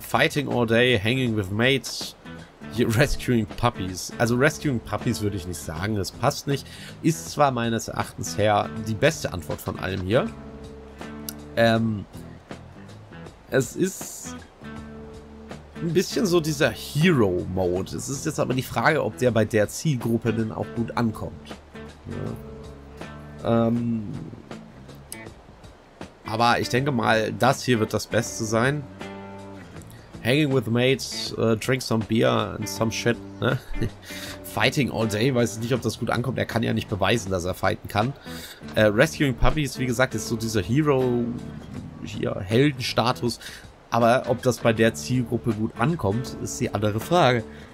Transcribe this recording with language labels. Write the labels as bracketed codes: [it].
[en] Fighting all day, hanging with mates, rescuing puppies. [de] Also [en] rescuing puppies [de] würde ich nicht sagen, das passt nicht. Ist zwar meines Erachtens her die beste Antwort von allem hier. Es ist ein bisschen so dieser Hero-Mode. Es ist jetzt aber die Frage, ob der bei der Zielgruppe denn auch gut ankommt. Ja. Aber ich denke mal, das hier wird das Beste sein. [en] Hanging with mates, drink some beer and some shit, ne? Fighting all day, [de] weiß nicht, ob das gut ankommt. Er kann ja nicht beweisen, dass er fighten kann. [en] Rescuing puppies, [de] wie gesagt, ist so dieser Hero, hier, Heldenstatus. Aber ob das bei der Zielgruppe gut ankommt, ist die andere Frage.